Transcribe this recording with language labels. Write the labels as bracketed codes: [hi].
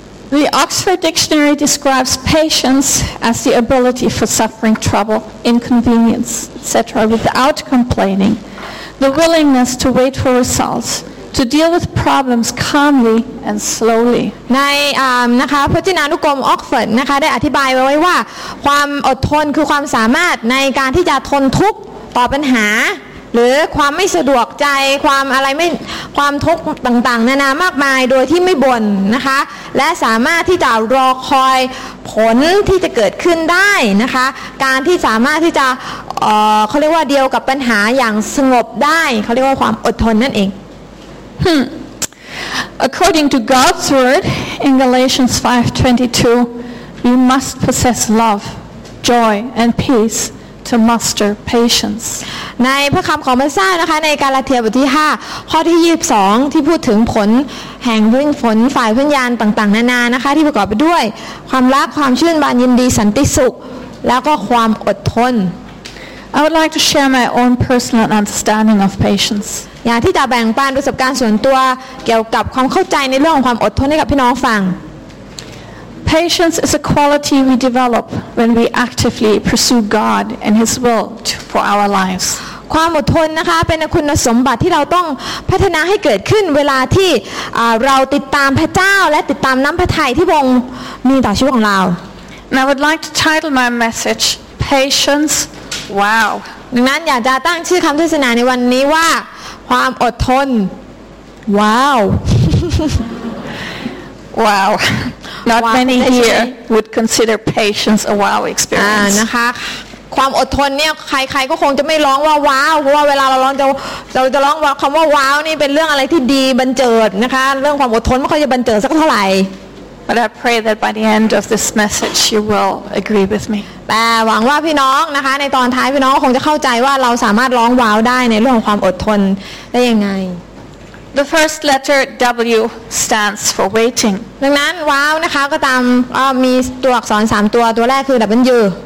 [en] The Oxford Dictionary describes patience as the ability for suffering trouble inconvenience etc without complainingThe willingness to wait for results, to deal with problems calmly and slowly. [th] ในนะคะพจนานุกรมออกฟอร์ดนะคะได้อธิบายไว้ว่าความอดทนคือความสามารถในการที่จะทนทุกข์ต่อปัญหาหรือความไม่สะดวกใจความอะไรไม่ความทุกข์ต่างๆนานามากมายโดยที่ไม่บ่นนะคะและสามารถที่จะรอคอยผลที่จะเกิดขึ้นได้นะคะการที่สามารถที่จะเขาเรียกว่าเดียวกับปัญหาอย่างสงบได้เขาเรียกว่าความอดทนนั่นเอง [en] According to God's word in Galatians 5:22 we must possess love joy and peace to muster patience [th] ในพระคำของพระเจ้านะคะในกาลาเทียบทที่5ข้อที่22ที่พูดถึงผลแห่งวิ่งฝนฝ่ายพันยานต่างๆนานานะคะที่ประกอบไปด้วยความรักความชื่นบานยินดีสันติสุขแล้วก็ความอดทน [en] I would like to share my own personal understanding of patience. [th] อยากที่จะแบ่งปันประสบการณ์ส่วนตัวเกี่ยวกับความเข้าใจในเรื่องของความอดทนให้กับพี่น้องฟัง [en] Patience is a quality we develop when we actively pursue God and His will for our lives. [th] ความอดทนนะคะเป็นคุณสมบัติที่เราต้องพัฒนาให้เกิดขึ้นเวลาที่เราติดตามพระเจ้าและติดตามน้ำพระทัยที่พระองค์มีต่อชีวิตของเรา [en] And I would like to title my message Patience. Wow. [th] ดังนั้นอยากจะตั้งชื่อคำเทศนาในวันนี้ว่าความอดทน [en] Wow. Wow. Not many here would consider patience a wow experience. [th] นะคะความอดทนเนี่ยใครๆก็คงจะไม่ร้องว่าว้าวเพราะว่าเวลาเราร้องเราจะร้องว่าคำว่าว้าวนี่เป็นเรื่องอะไรที่ดีบันเจิดนะคะเรื่องความอดทนไม่ค่อยจะบันเจิดสักเท่าไหร่ [en] But I pray that by the end of this message, you will agree with me. [th] แต่หวังว่าพี่น้องนะคะในตอนท้ายพี่น้องคงจะเข้าใจว่าเราสามารถร้องว้าวได้ในเรื่องของความอดทนได้ยังไง [en] The first letter W stands for waiting. [th] ดังนั้นว้าวนะคะก็ตามมีตัวอักษรสามตัวตัวแรกคือ W.